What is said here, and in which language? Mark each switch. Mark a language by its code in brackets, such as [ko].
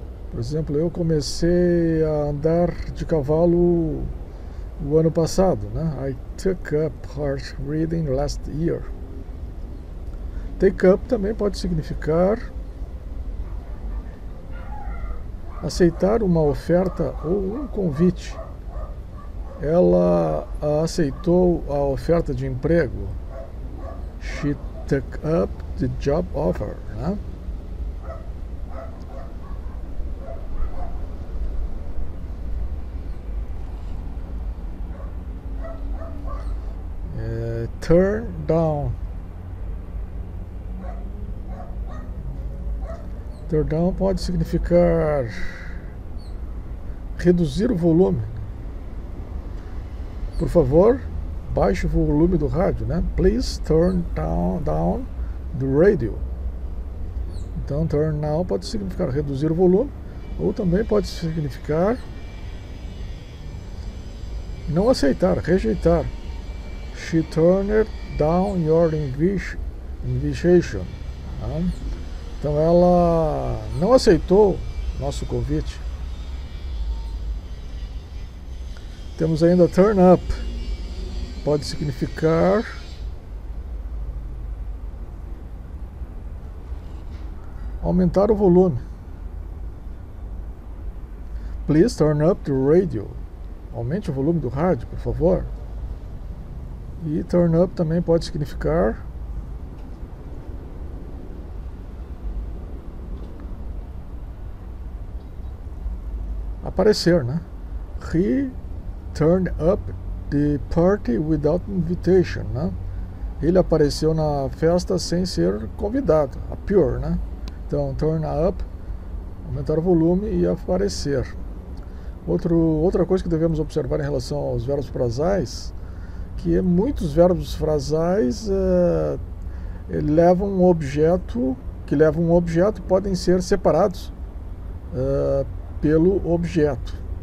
[pt] Por exemplo, eu comecei a andar de cavalo o ano passado, né? [en] I took up horse riding last year. [pt] Take up também pode significar aceitar uma oferta ou um convite. Ela aceitou a oferta de emprego. [en] She took up the job offer, né? Turn down. [pt] Turn down pode significar reduzir o volume. Por favor, baixe o volume do rádio, né? [en] Please turn down the radio. [pt] Então, turn down pode significar reduzir o volume, ou também pode significar não aceitar, rejeitar. [en] She turned down your invitation. [pt] Então ela não aceitou nosso convite. Temos ainda turn up. Pode significar aumentar o volume. [en] Please turn up the radio. [pt] Aumente o volume do rádio, por favor. E turn up também pode significar aparecer, né? [en] He turned up the party without invitation, né? [pt] Ele apareceu na festa sem ser convidado, appear, né? Então, turn up, aumentar o volume e aparecer. Outra coisa que devemos observar em relação aos verbos frasais, que muitos verbos frasais levam um objeto, que levam um objeto, podem ser separados pelo objeto.